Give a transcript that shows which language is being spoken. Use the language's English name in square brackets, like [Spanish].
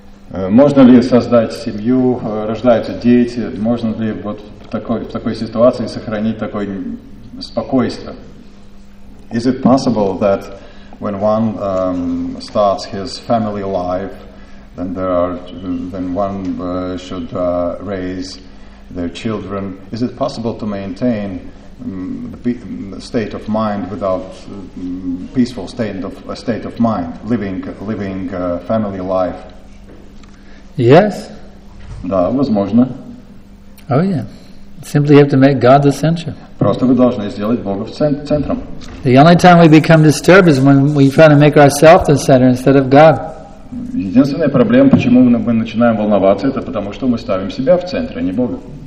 [Russian] Можно ли создать семью, рождаются дети, можно ли вот в такой ситуации сохранить такое спокойствие? [English] Is it possible that when one starts his family life, then one should raise their children, is it possible to maintain a peaceful state of mind, living family life? Yes. [Russian] Да, возможно. [English] Oh yeah. Simply have to make God the center. [Russian] Просто вы должны сделать Бога центром. [English] The only time we become disturbed is when we try to make ourselves the center instead of God. [Russian] Единственная проблема, почему мы начинаем волноваться, это потому что мы ставим себя в центр, а не Бога.